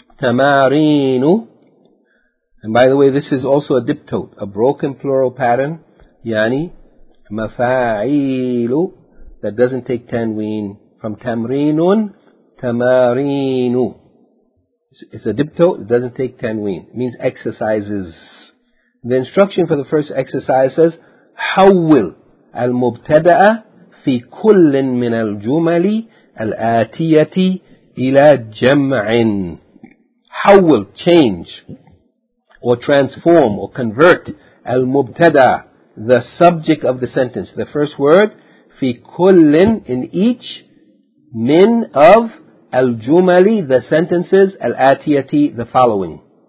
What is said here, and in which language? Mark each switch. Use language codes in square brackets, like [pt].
[en] Tamarinu. And by the way, this is also a diptote, a broken plural pattern, yani, mafa'ilu, that doesn't take tanween, from tamrinun, tamarinu. It's a diptote, it doesn't take tanween. It means exercises. The instruction for the first exercise says, [ar] حول المبتدأ في كل من الجمل الآتية إلى جمع. [en] حول, change, or transform, or convert, المبتدأ, the subject of the sentence, the first word, في كل, in each, من, of, الجملي, the sentences, الآتيتي, the following.